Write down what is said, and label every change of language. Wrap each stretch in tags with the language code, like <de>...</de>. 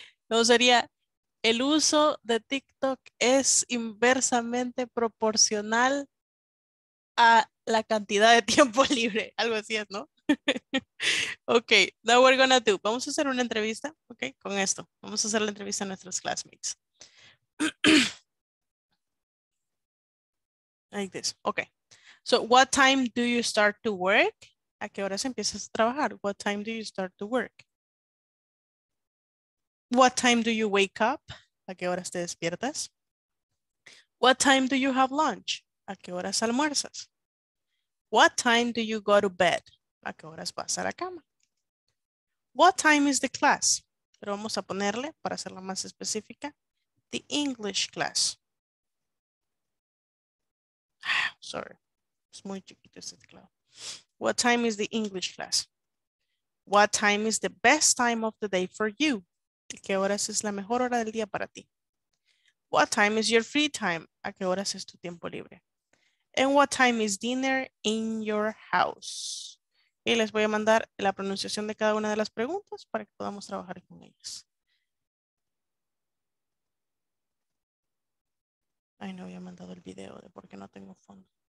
<es>No, sería, el uso de TikTok es inversamente proporcional a la cantidad de tiempo libre. Algo así es, ¿no?</es> <en>Ok, now we're gonna do.</en> <es>Vamos a hacer una entrevista, ok, con esto. Vamos a hacer la entrevista a nuestros classmates.</es> <en>Like this, ok. So, what time do you start to work?</en> <es>¿A qué horas empiezas a trabajar?</es> <en>What time do you start to work? What time do you wake up?</en> <es>¿A qué horas te despiertas?</es> <en>What time do you have lunch?</en> <es>¿A qué horas almuerzas?</es> <en>What time do you go to bed?</en> <es>¿A qué horas vas a la cama?</es> <en>What time is the class?</en> <es>Pero vamos a ponerle, para hacerla más específica,</es> <en>the English class. Sorry,</en> <es>es muy chiquito este teclado.</es> <en>What time is the English class? What time is the best time of the day for you?</en> <es>¿Qué horas es la mejor hora del día para ti?</es> <en>What time is your free time?</en> <es>¿A qué horas es tu tiempo libre?</es> <en>And what time is dinner in your house?</en> <es>Y les voy a mandar la pronunciación de cada una de las preguntas para que podamos trabajar con ellas. Ay, no había mandado el video de por qué no tengo fondo.</es>